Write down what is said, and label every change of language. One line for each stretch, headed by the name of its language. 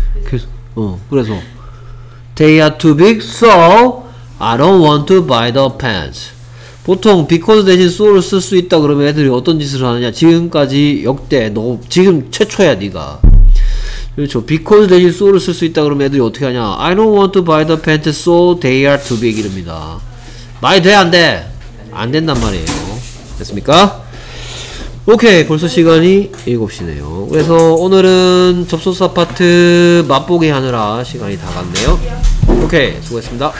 Korean: 그래서
English: They are too big, so I don't want to buy the pants.
Korean: 보통 because 대신 so를 쓸 수 있다 그러면 애들이 어떤 짓을 하느냐. 지금까지 역대 너 지금 최초야 네가. 그렇죠. because 대신 so를 쓸 수 있다 그러면 애들이 어떻게 하냐.
English: I don't want to buy the pants, so they are too big
Korean: 이릅니다. 말이 돼 안 돼? 안 된단 말이에요. 됐습니까? 오케이, 벌써 시간이 7시네요. 그래서 오늘은 접속사 파트 맛보기 하느라 시간이 다 갔네요. 오케이, 수고했습니다.